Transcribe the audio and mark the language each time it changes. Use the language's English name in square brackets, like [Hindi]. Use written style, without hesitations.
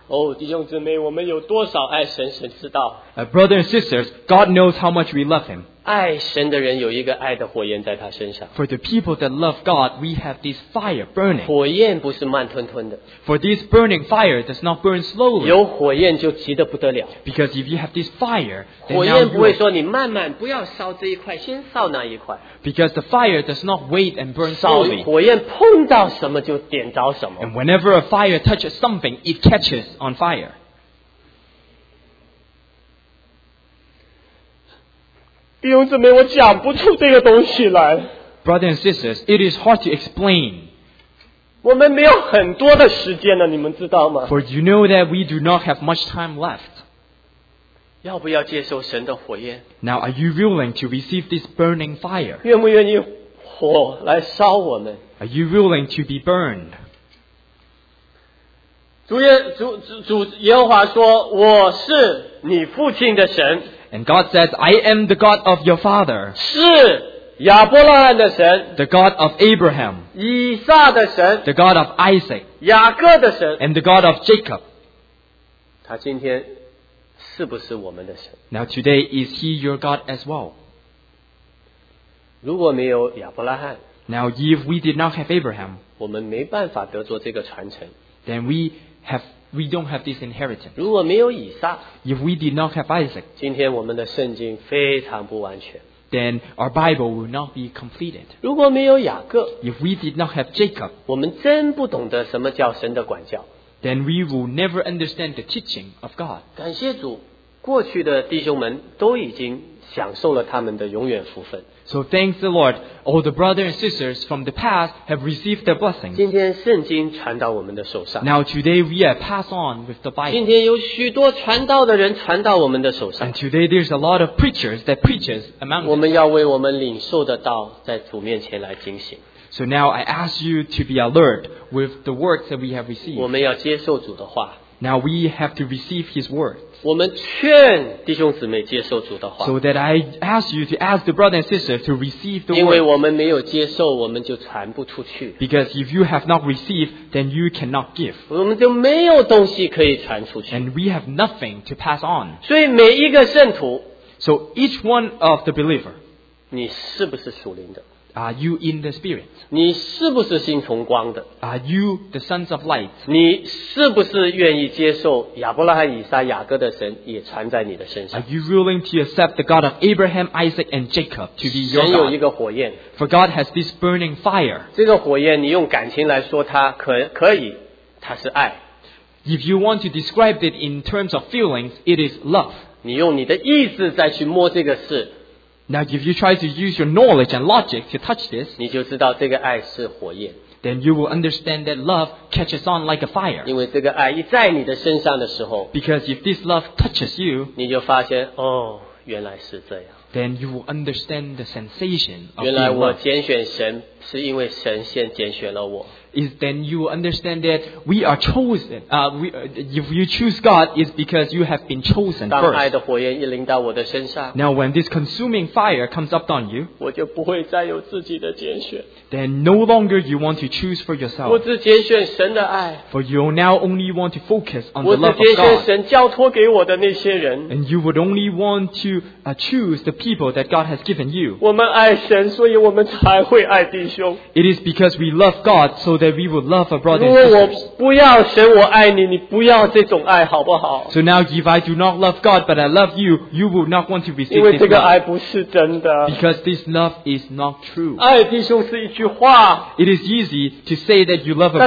[Chinese] 哦，弟兄姊妹，我们有多少爱神，神知道。 [English] Brothers and sisters, God knows how much we love him. [Chinese] 爱神的人有一个爱的火焰在他身上。 [English] For the people that love God, we have this fire burning. [Chinese] 火焰不是慢吞吞的。 [English] For this burning fire does not burn slowly. [Chinese] 有火焰就急得不得了。 [English] Because if you have this fire, [Chinese] 火焰不会说你慢慢不要烧这一块，先烧那一块。 [English] Because the fire does not wait and burn slowly. [Chinese] 火焰碰到什么就点着什么。 [English] And whenever a fire touches something, it catches on fire. [Chinese] 弟兄姊妹，我讲不出这个东西来。 [English] Brothers and sisters, it is hard to explain. [Chinese] 我们没有很多的时间了，你们知道吗？ [English] For you know that we do not have much time left. [Chinese] 要不要接受神的火焰？ [English] Now, are you willing to receive this burning fire? [Chinese] 愿不愿意火来烧我们？ [English] Are you willing to be burned? [Chinese] 主耶和华说，我是你父亲的神。 [English] And God says, I am the God of your father. [Chinese] 是亚伯拉罕的神。 [English] The God of Abraham. [Chinese] 以撒的神。 [English] The God of Isaac. [Chinese] 雅各的神。 [English] And the God of Jacob. [Chinese] 他今天是不是我们的神？ [English] Now today, is he your God as well? [Chinese] 如果没有亚伯拉罕。 [English] Now if we did not have Abraham. [Chinese] 我们没办法得做这个传承。 [English] Then we don't have this inheritance. [Chinese] 如果没有以撒, [English] if we did not have Isaac, [Chinese] 今天我们的圣经非常不完全, [English] then our Bible will not be completed. [Chinese] 如果没有雅各, [English] if we did not have Jacob, [Chinese] 我们真不懂得什么叫神的管教, [English] then we will never understand the teaching of God. [Chinese] 感谢主，过去的弟兄们都已经享受了他们的永远福分。 [English] So thanks the Lord, all the brothers and sisters from the past have received the blessings. [Chinese] 今天圣经传到我们的手上。 [English] Now today we are passed on with the Bible. [Chinese] 今天有许多传道的人传到我们的手上。 [English] And today there's a lot of preachers that preaches among us. [Chinese] 我们要为我们领受的道在主面前来警醒。 [English] So now I ask you to be alert with the words that we have received. [Chinese] 我们要接受主的话。 [English] Now we have to receive His words. [Chinese] 我们劝弟兄姊妹接受主的话。 [English] So that I ask you to ask the brother and sister to receive the word. [Chinese] 因为我们没有接受，我们就传不出去。 [English] Because if you have not received, then you cannot give. [Chinese] 我们就没有东西可以传出去。 [English] And we have nothing to pass on. [Chinese] 所以每一个圣徒。 [English] So each one of the believer. [Chinese] 你是不是属灵的？ [English] Are you in the spirit? [Chinese] 你是不是心从光的？ [English] Are you the sons of light? [Chinese] 你是不是愿意接受亚伯拉罕、以撒、雅各的神也传在你的身上？ [English] Are you willing to accept the God of Abraham, Isaac, and Jacob to be your God? [Chinese] 神有一个火焰。 [English] For God has this burning fire. [Chinese] 这个火焰你用感情来说它可以，它是爱。 [English] If you want to describe it in terms of feelings, it is love. [Chinese] 你用你的意志再去摸这个事。 [English] Now if you try to use your knowledge and logic to touch this, [Chinese] 你就知道这个爱是火焰。 [English] Then you will understand that love catches on like a fire. [Chinese] 因为这个爱一在你的身上的时候， [English] Because if this love touches you, [Chinese] 你就发现，哦，原来是这样。 [English] Then you will understand the sensation of love. [Chinese] 原来我拣选神是因为神先拣选了我。 [English] Is then you will understand that we are chosen. If you choose God, it's because you have been chosen first. [Chinese] 当爱的火焰一临到我的身上， [English] Now when this consuming fire comes up on you, [Chinese] 我就不会再有自己的拣选。 [English] Then no longer you want to choose for yourself. [Chinese] 我只拣选神的爱。 [English] For you now only want to focus on the love of God. [Chinese] 我只拣选神交托给我的那些人。 [English] And you would only want to choose the people that God has given you. [Chinese] 我们爱神，所以我们才会爱弟兄。 [English] It is because we love God, so that we would love a brother. [Chinese] 如果我不要神，我爱你，你不要这种爱，好不好？ [English] So now, if I do not love God, but I love you, you will not want to receive this love. [Chinese] 因为这个爱不是真的。 [English] Because this love is not true. [Chinese] 爱弟兄是一句话。 [English] It is easy to say that you love a brother.